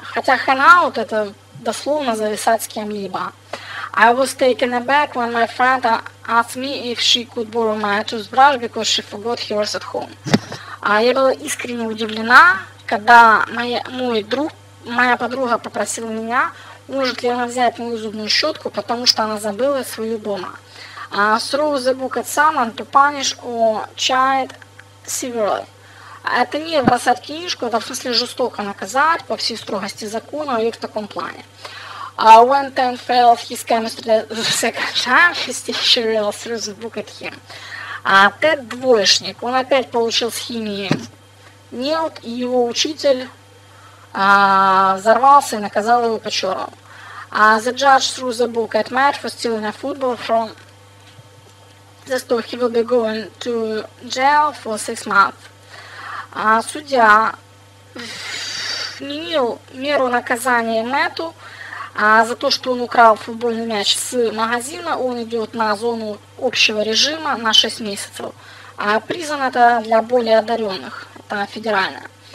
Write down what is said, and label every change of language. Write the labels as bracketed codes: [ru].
[ru] Хотя hang out – это дословно зависать с кем-либо. [en] I was taken aback when my friend asked me if she could borrow my toothbrush because she forgot hers at home. [ru] Я была искренне удивлена, когда моя подруга попросила меня, может ли она взять мою зубную щетку, потому что она забыла свою дома. [en] Throw the book at someone to punish or chide severely. [ru] Это не бросать книжку, это в смысле жестоко наказать по всей строгости закона и в таком плане. [en] When Ted failed his chemistry the second time, his teacher really threw the book at him. [ru] Ted двоечник, он опять получил с химии нелд, и его учитель взорвался и наказал его по-черному. [en] The judge threw the book at Matt for stealing a football from the store. He will be going to jail for 6 months. [ru] Судья вменил меру наказания Мэтту, А за то, что он украл футбольный мяч с магазина, он идет на зону общего режима на 6 месяцев. А призван это для более одаренных, это федеральное.